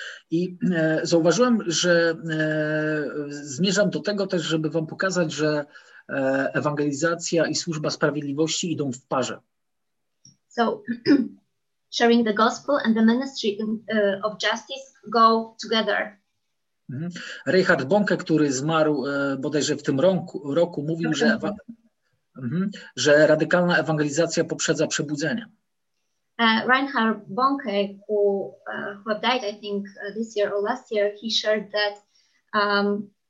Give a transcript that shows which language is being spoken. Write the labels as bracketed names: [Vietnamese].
[Polish] I zauważyłem, że zmierzam do tego też, żeby wam pokazać, że ewangelizacja i służba sprawiedliwości idą w parze. [English] So sharing the gospel and the ministry of justice go together. [Polish] Richard Bonke, który zmarł bodajże w tym roku mówił, że radykalna ewangelizacja poprzedza przebudzenie. [English] Reinhard Bonke, who died I think this year or last year, he shared that